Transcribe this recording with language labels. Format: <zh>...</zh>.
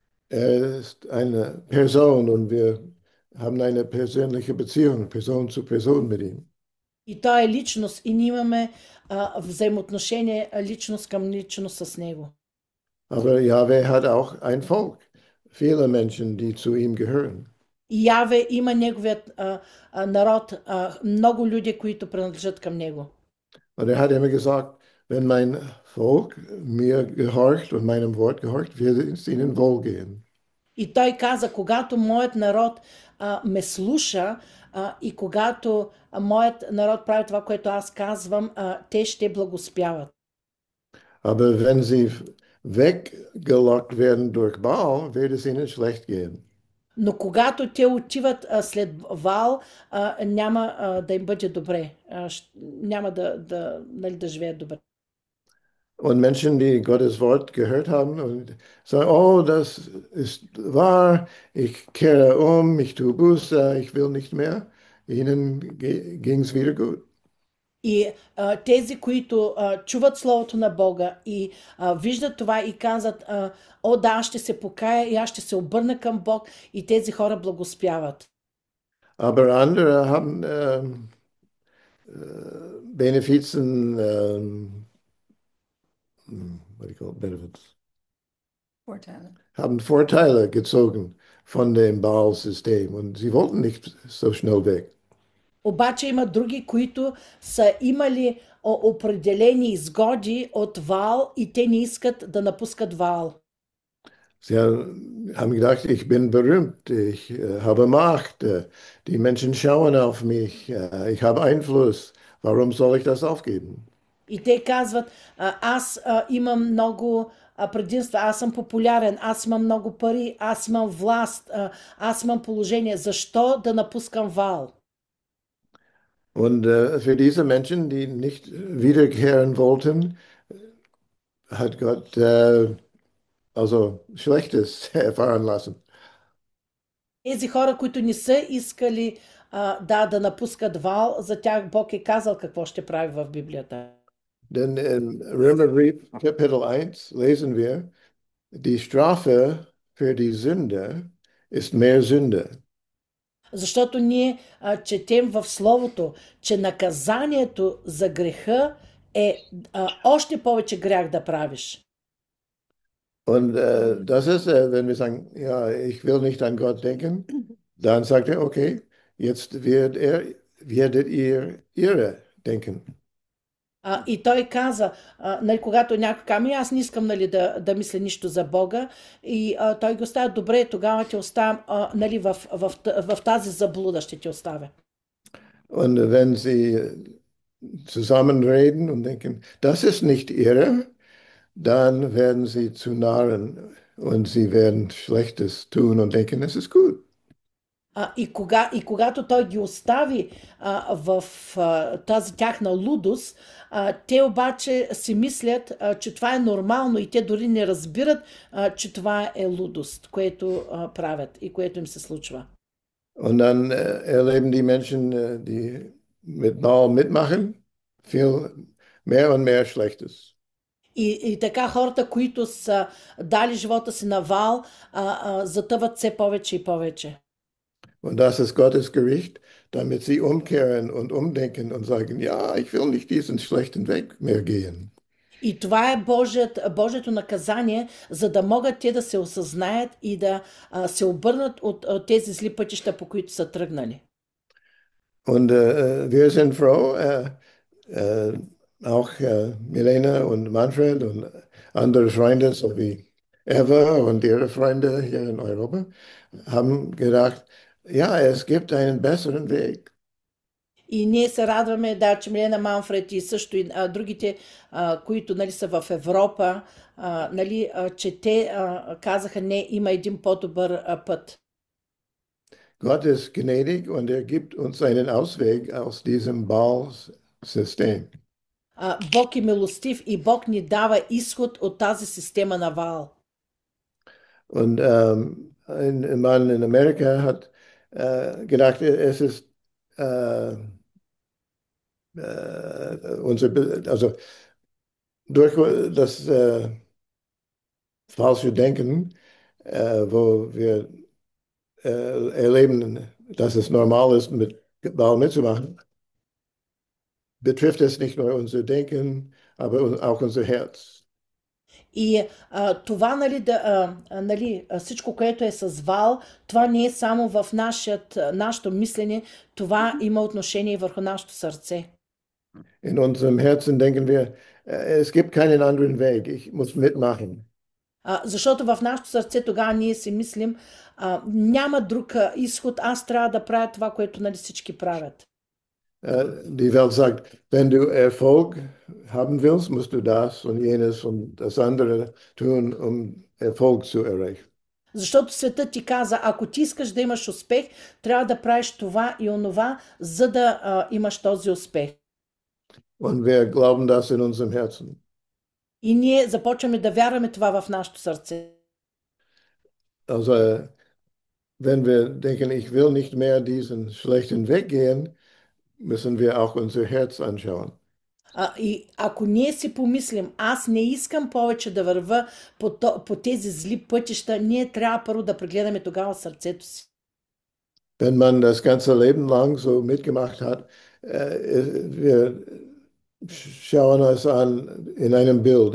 <de>Er ist eine Person und wir haben eine persönliche Beziehung, Person zu Person mit ihm.</de> <bg>И той е личност, и ние имаме взаимоотношение личност към личност с него.</bg> <de>Aber Yahweh hat auch ein Volk, viele Menschen, die zu ihm gehören.</de> <bg>И Яве има неговият народ, много люди, които принадлежат към него.</bg> <de>Und er hat immer gesagt, wenn mein Volk mir gehorcht und meinem Wort gehorcht, wird es ihnen wohlgehen.</de> <bg>И той каза, когато моят народ ме слуша и когато моят народ прави това, което аз казвам, те ще благоспяват.</bg> <de>Aber wenn sie weggelockt werden durch Baal, wird es ihnen schlecht gehen.</de> <bg>Но когато те отиват след Вал, няма да им бъде добре. Няма да живеят добре.</bg> <de>Und Menschen, die Gottes Wort gehört haben und sagen, oh, das ist wahr, ich kehre um, ich tue Buße, ich will nicht mehr, ihnen ging es wieder gut.</de> <bg>И тези, които чуват Словото на Бога и виждат това и казват, о да, аз ще се покая и аз ще се обърна към Бог, и тези хора благоспяват.</bg> <de>Aber andere haben Benefizen,</de> <en>what do you call it, benefits,</en> <de>Vorteile. haben Vorteile gezogen von dem Baal-System und sie wollten nicht so schnell weg.</de> <bg>Обаче има други, които са имали определени изгоди от Ваал и те не искат да напускат Ваал.</bg> <de>Sie haben gedacht, ich bin berühmt, ich habe Macht, die Menschen schauen auf mich, ich habe Einfluss. Warum soll ich das aufgeben?</de> <bg>И те казват, аз имам много предимства, аз съм популярен, аз имам много пари, аз имам власт, аз имам положение. Защо да напускам Ваал?</bg> <de>Und für diese Menschen, die nicht wiederkehren wollten, hat Gott also Schlechtes erfahren lassen.</de> <bg>Тези хора, които не са искали да напускат вал, за тях Бог е казал какво ще прави в Библията.</bg> <de>Denn in Römerbrief Kapitel 1 lesen wir, die Strafe für die Sünde ist mehr Sünde.</de> <bg>Защото ние четем в Словото, че наказанието за греха е още повече грях да правиш.</bg> <de>Und das ist, wenn wir sagen, ja, ich will nicht an Gott denken, dann sagt er, okay, jetzt werdet ihr irre denken.</de> <bg>И той каза, нали, когато някой каже, аз не искам, нали, да мисля нищо за Бога, и той го става, добре, тогава ти оставам, нали, в тази заблуда ще ти оставя.</bg> <de>Und wenn sie zusammenreden und denken, das ist nicht ihre, dann werden sie zu Narren und sie werden Schlechtes tun und denken, es ist gut.</de> <bg>И когато той ги остави в тази тяхна лудост, те обаче си мислят, че това е нормално, и те дори не разбират, че това е лудост, което правят и което им се случва.</bg> <de>Und dann erleben die Menschen, die mit Mao mitmachen, viel mehr und mehr Schlechtes.</de> <bg>И така хората, които са дали живота си на вал, затъват все повече и повече.</bg> <de>Und das ist Gottes Gericht, damit sie umkehren und umdenken und sagen, ja, ich will nicht diesen schlechten Weg mehr gehen.</de> <bg>И това е Божието наказание, за да могат те да се осъзнаят и да се обърнат от тези зли пътища, по които са тръгнали.</bg> <de>Und wir sind froh, auch Milena und Manfred und andere Freunde, so wie Eva und ihre Freunde hier in Europa, haben gedacht, ja, es gibt einen besseren Weg.</de> <bg>И ние се радваме, да, че Милена Манфред и също и другите, които, нали, са в Европа, нали, че те казаха, не, има един по-добър път.</bg> <de>Gott ist gnädig und er gibt uns einen Ausweg aus diesem Ballsystem.</de> <bg>Бог е милостив и Бог ни дава изход от тази система на вал.</bg> <de>Und ein Mann in Amerika hat gedacht, es ist also durch das falsche Denken, wo wir erleben, dass es normal ist, mit Baal mitzumachen, betrifft es nicht nur unser Denken, aber auch unser Herz.</de> <bg>И това, нали, нали, всичко, което е с вал, това не е само в нашето мислене, това има отношение и върху нашето сърце.</bg> <de>In unserem Herzen denken wir, es gibt keinen anderen Weg, ich muss mitmachen.</de> <bg>Защото в нашето сърце тогава ние си мислим, няма друг изход, аз трябва да правя това, което, нали, всички правят.</bg> <de>Die Welt sagt, wenn du Erfolg haben willst, musst du das und jenes und das andere tun, um Erfolg zu erreichen.</de> <bg>Защото светът ти каза, ако ти искаш да имаш успех, трябва да правиш това и онова, за да имаш този успех.</bg> <de>Und wir glauben das in unserem Herzen.</de> <bg>И ние започваме да вярваме това в нашето сърце.</bg> <de>Also, wenn wir denken, ich will nicht mehr diesen schlechten Weg gehen, müssen wir auch unser Herz anschauen.</de> <bg>И ако ние си помислим, аз не искам повече да вървя по тези зли пътища, ние трябва първо да прегледаме тогава сърцето си.</bg> <de>Wenn man das ganze Leben lang so mitgemacht hat, wir schauen uns an in einem Bild.</de>